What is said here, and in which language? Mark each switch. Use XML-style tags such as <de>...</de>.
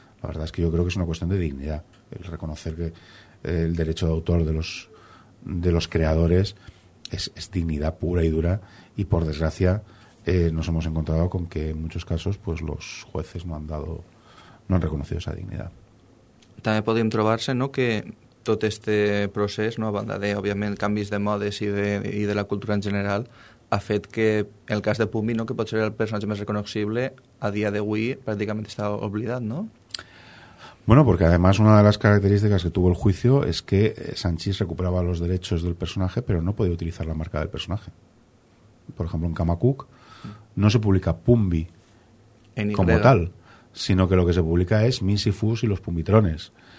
<es>La verdad es que yo creo que es una cuestión de dignidad el reconocer que el derecho de autor de los creadores es dignidad pura y dura, y por desgracia nos hemos encontrado con que en muchos casos pues los jueces no han reconocido esa dignidad. También podrían</es> <ca>trobarse, ¿no?, que tot este procés, no, a banda de, òbviament, canvis de modes i de la cultura en general, ha fet que el cas de Pumbi, no, que pot ser el personatge més reconocible, a dia d'avui pràcticament està oblidat, no?</ca> <es>Bueno, porque además una de las características que tuvo el juicio es que Sanchis recuperaba los derechos del personaje, pero no podía utilizar la marca del personaje. Por ejemplo, en Camacuc no se publica Pumbi como tal, sino que lo que se publica es Misifus y los Pumbitrones.</es>